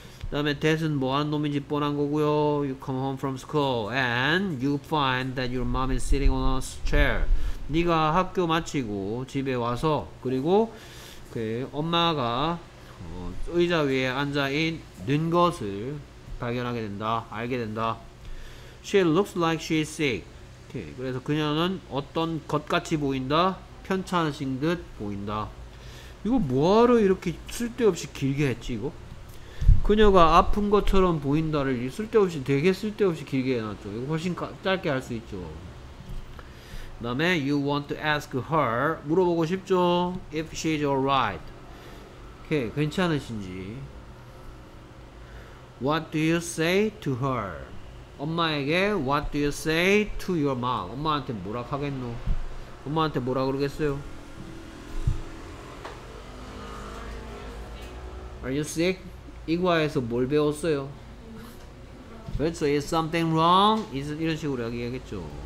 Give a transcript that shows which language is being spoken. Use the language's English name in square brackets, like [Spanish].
[Korean] 그 다음에 that은 뭐하는 놈인지 뻔한 거고요. [English] you come home from school and you find that your mom is sitting on a chair. [Korean] 네가 학교 마치고 집에 와서 그리고 그 엄마가 의자 위에 앉아 있는 것을 발견하게 된다. 알게 된다. [English] She looks like she's sick. Okay. [Korean] 그래서 그녀는 어떤 것같이 보인다. 편찮으신 듯 보인다. 이거 뭐하러 이렇게 쓸데없이 길게 했지 이거? 그녀가 아픈 것처럼 보인다를 쓸데없이 되게 쓸데없이 길게 해놨죠. 이거 훨씬 짧게 할 수 있죠. 그 다음에 [English] You want to ask her [Korean] 물어보고 싶죠. [English] If she's alright. Okay. [Korean] 괜찮으신지. [English] What do you say to her? [Korean] 엄마에게 [English] What do you say to your mom? [Korean] 엄마한테 뭐라 하겠노? 엄마한테 뭐라 그러겠어요? [English] Are you sick? [Korean] 이과에서 뭘 배웠어요? 그래서 [English] Is something wrong? [Korean] 이런 식으로 얘기하겠죠.